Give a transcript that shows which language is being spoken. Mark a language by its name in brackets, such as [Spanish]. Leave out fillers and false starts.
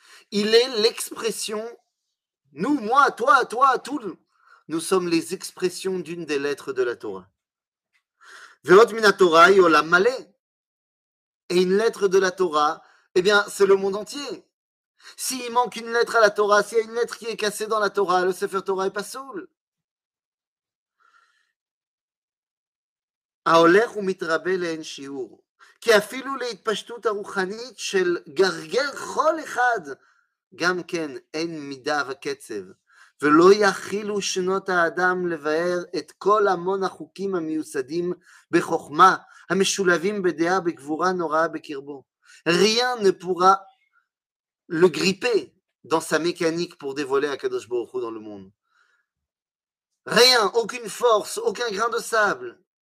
[French] Il est l'expression, nous, moi, toi, tout, nous sommes les expressions d'une des lettres de la Torah. [Hebrew] Ve'ot min haTorah yolam male. [French] Et une lettre de la Torah, eh bien, c'est le monde entier. S'il manque une lettre à la Torah, s'il y a une lettre qui est cassée dans la Torah, le Sefer Torah est pas soul. [Hebrew] ההולך ומתרבה לאין שיעור. כי אפילו להתפשטות הרוחנית של גרגר חול אחד, גם כן אין מידה וקצב. ולא יכילו שנות האדם לבאר את כל המון החוקים המיוסדים בחוכמה, המשולבים בדעה בגבורה נוראה בקרבו. [French] Rien ne pourra le gripper dans sa mécanique pour dévoiler הקדוש ברוך הוא dans le monde. Rien, aucune force, aucun grain de sable.